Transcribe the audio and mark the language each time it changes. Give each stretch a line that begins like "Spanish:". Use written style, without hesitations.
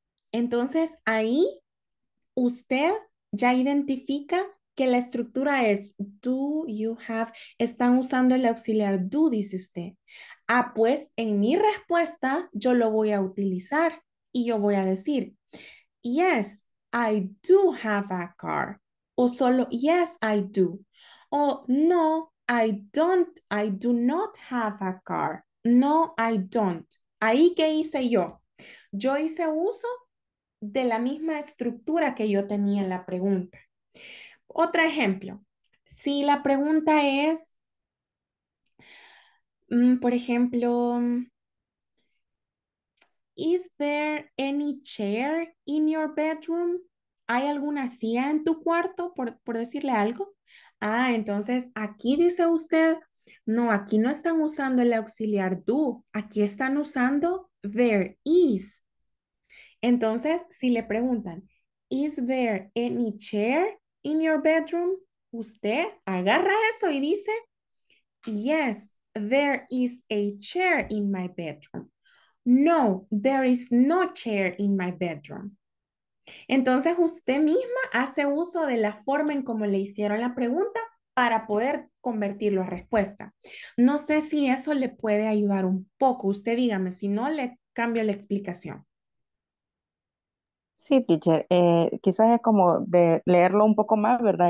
Spanish: Entonces, ahí usted ya identifica que la estructura es
English: do you have,
Spanish: están usando el auxiliar do, dice usted. Ah, pues en mi respuesta yo lo voy a utilizar y yo voy a decir,
English: yes, I do have a car.
Spanish: O solo,
English: yes, I do. O no, I don't, I do not have a car. No, I don't.
Spanish: Ahí, ¿qué hice yo? Yo hice uso de la misma estructura que yo tenía en la pregunta. Otro ejemplo, si la pregunta es, por ejemplo,
English: ¿is there any chair in your bedroom?
Spanish: ¿Hay alguna silla en tu cuarto, por decirle algo? Ah, entonces aquí dice usted, no, aquí no están usando el auxiliar do, aquí están usando there is. Entonces, si le preguntan,
English: ¿is there any chair in your bedroom?
Spanish: Usted agarra eso y dice,
English: yes, there is a chair in my bedroom. No, there is no chair in my bedroom.
Spanish: Entonces usted misma hace uso de la forma en cómo le hicieron la pregunta para poder convertirlo a respuesta. No sé si eso le puede ayudar un poco. Usted dígame, si no, le cambio la explicación. Sí, teacher, quizás es como de leerlo un poco más, ¿verdad?